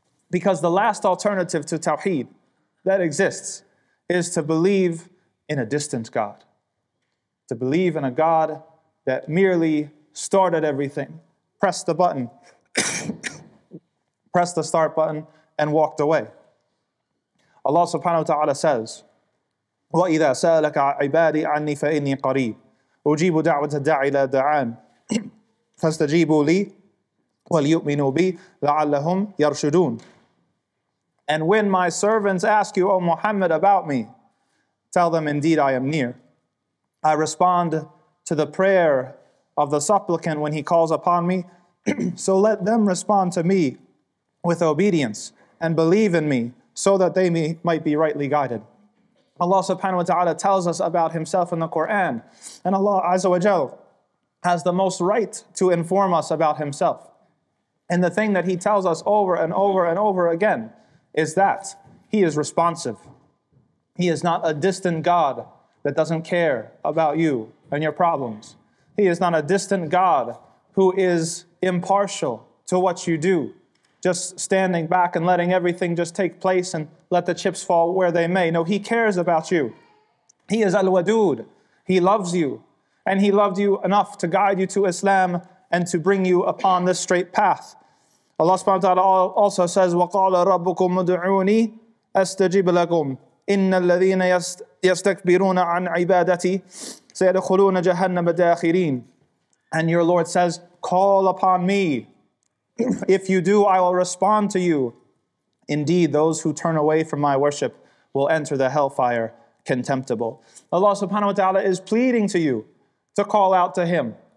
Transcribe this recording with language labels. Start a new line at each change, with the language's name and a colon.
English: Because the last alternative to Tawheed that exists is to believe in a distant God. To believe in a God that merely started everything, pressed the button, pressed the start button, and walked away.
Arabic: Allah subhanahu wa ta'ala says, وَإِذَا سَأَلَكَ عِبَادِي عَنِّي فَإِنِّي قَرِيبٌ أُجِيبُ دَعْوَةَ الدَّاعِ إِلَى دَعَانٍ فَاسْتَجِيبُوا لِي وَلْيُؤْمِنُوا بِي لَعَلَّهُمْ يَرْشُدُونَ.
English: And when my servants ask you, O Muhammad, about me, tell them, indeed, I am near. I respond to the prayer of the supplicant when he calls upon me. So let them respond to me with obedience and believe in me so that they might be rightly guided. Allah subhanahu wa ta'ala tells us about Himself in the Qur'an. And Allah azza wa jal has the most right to inform us about Himself. And the thing that He tells us over and over and over again is that He is responsive. He is not a distant God that doesn't care about you and your problems. He is not a distant God who is impartial to what you do, just standing back and letting everything just take place and let the chips fall where they may. No, He cares about you. He is Al-Wadud. He loves you. And He loved you enough to guide you to Islam and to bring you upon this straight path.
Arabic: Allah subhanahu wa ta'ala also says, وَقَالَ رَبُّكُمْ مُدْعُونِي أَسْتَجِبْ لَكُمْ إِنَّ الَّذِينَ يَسْتَكْبِرُونَ عَنْ عِبَادَتِي سَيَدْخُلُونَ جَهَنَّمَ دَاخِرِينَ.
English: And your Lord says, call upon me. If you do, I will respond to you. Indeed, those who turn away from my worship will enter the hellfire contemptible. Allah subhanahu wa ta'ala is pleading to you to call out to Him.